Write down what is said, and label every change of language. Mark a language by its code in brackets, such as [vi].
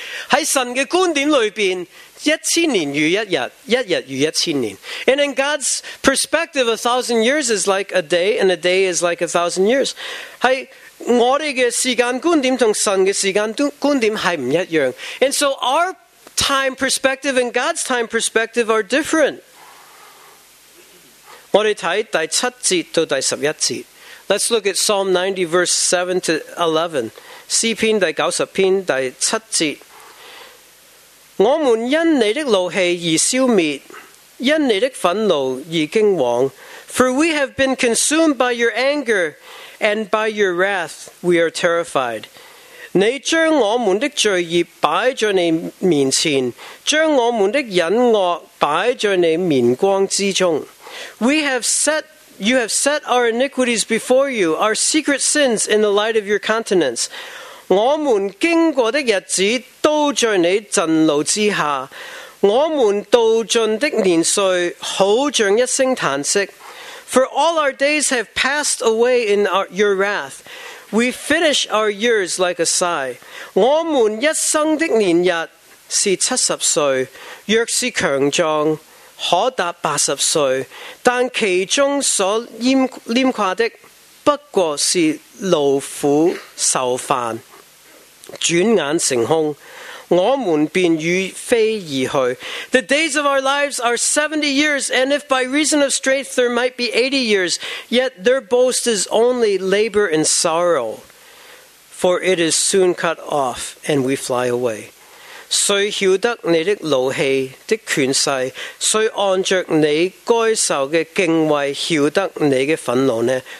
[zh] 在神的观点里面1,000年如一日，一日如1,000年。 [en] And in God's perspective, 1,000 years is like a day and a day is like 1,000 years. [zh] 在我们的时间观点和神的时间观点是不一样。 [en] And so our time perspective and God's time perspective are different. [zh] 我们看第七节到第十一节。 [en] Let's look at Psalm 90 verse 7 to 11. [zh] 诗篇第九十篇第七节。我们因你的怒气而消灭，因你的愤怒而惊惶。 [en] For we have been consumed by your anger,And by your wrath, we are terrified. [zh] 你将我们的罪孽摆在你面前，将我们的隐恶摆在你面光之中。 [en] You have set our iniquities before you, our secret sins in the light of your countenance. [zh] 我们经过的日子都在你震怒之下，我们度尽的年岁好像一声叹息。 [en] For all our days have passed away in your wrath. We finish our years like a sigh. [zh] 我们一生的年日是70岁，若是强壮，可达80岁。但其中所拈垮的，不过是劳苦受烦，转眼成空。我们便与非而去。 [en] The days of our lives are 70 years, and if by reason of strength there might be 80 years, yet their boast is only labor and sorrow, for it is soon cut off, and we fly away. [zh] 谁晓得你的怒气的权势？谁按着你该受的敬畏晓得你的愤怒呢？